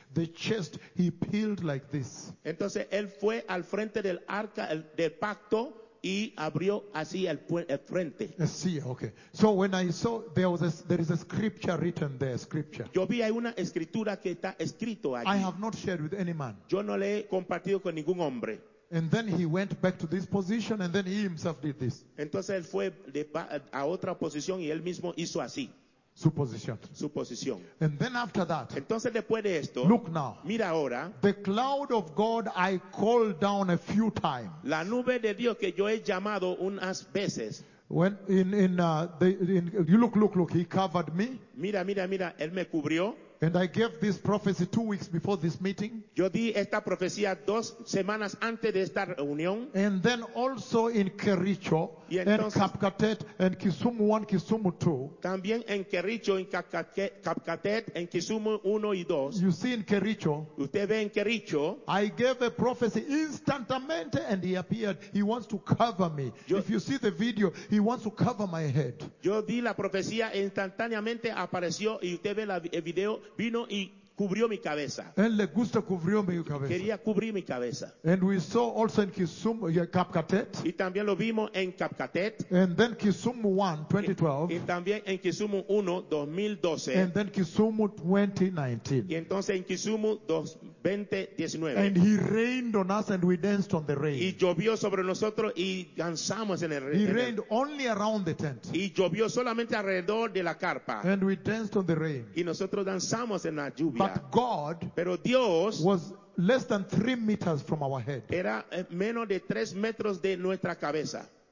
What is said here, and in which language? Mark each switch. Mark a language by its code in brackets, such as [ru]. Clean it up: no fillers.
[en] The chest he peeled like this. [es] Entonces él fue al frente del arca del pacto y abrió así el frente. Sí, okay. [en] So when I saw there is a scripture written there, scripture. [es] Yo vi una escritura que está escrito allí. [en] I have not shared with any man. [es] Yo no le he compartido con ningún hombre. [en] And then he went back to this position and then he himself did this. [es] Entonces él fue a otra posición y él mismo hizo así. Su posición. [en] And then after that. [es] Entonces después de esto. [en] Look now. [es] Mira ahora. [en] The cloud of God I called down a few times. [es] La nube de Dios que yo he llamado unas veces. [en] When in you look, he covered me. [es] Mira, él me cubrió. [en] And I gave this prophecy 2 weeks before this meeting. [es] Yo di esta profecía dos semanas antes de esta reunión. [en] And then also in Kericho, entonces, and Kapkatet, and Kisumu 1, Kisumu 2. [es] También en Kericho, en Kapkatet, en Kisumu 1 y 2. [en] You see in Kericho, [es] usted ve en Kericho, [en] I gave a prophecy instantaneously and he appeared. He wants to cover me. Yo, if you see the video, he wants to cover my head. [es] Yo di la profecía instantáneamente apareció y usted ve el video. Vino y cubrió mi cabeza. Él le gusta cubrió mi cabeza. Quería cubrir mi cabeza. [en] And we saw also in Kisumu, Kapkatet. [es] Y también lo vimos en Kapkatet. [en] And then Kisumu 1, 2012. [es] Y también en Kisumu 1, 2012. [en] And then Kisumu 2019. [es] Y entonces en Kisumu 2019. [en] And he rained on us and we danced on the rain. [es] Y llovió sobre nosotros y danzamos en el [en] rain. He rained only around the tent. [es] Y llovió solamente alrededor de la carpa. [en] And we danced on the rain. [es] Y nosotros danzamos en la lluvia. [en] But God, [es] pero Dios, [en] was less than 3 meters from our head. [es] Era menos de 3 metros de nuestra cabeza.